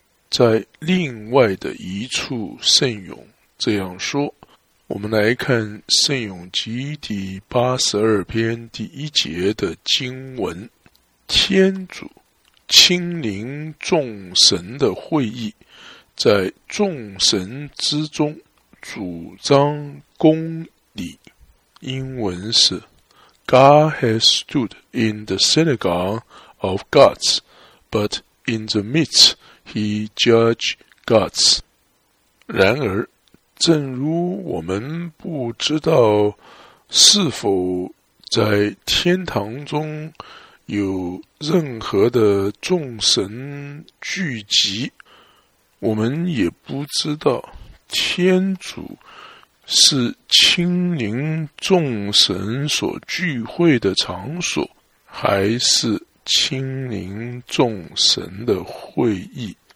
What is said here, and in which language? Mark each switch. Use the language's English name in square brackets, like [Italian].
[Chinese] 在另外的一处圣咏这样说，我们来看圣咏集第82篇第一节的经文，天主亲临众神的会议，在众神之中主张公理。英文是 [English] God has stood in the synagogue of gods, but in the midst he judged gods. [Chinese] 然而正如我们不知道是否在天堂中有任何的众神聚集，我们也不知道天主是亲临众神所聚会的场所，还是亲临众神的会议。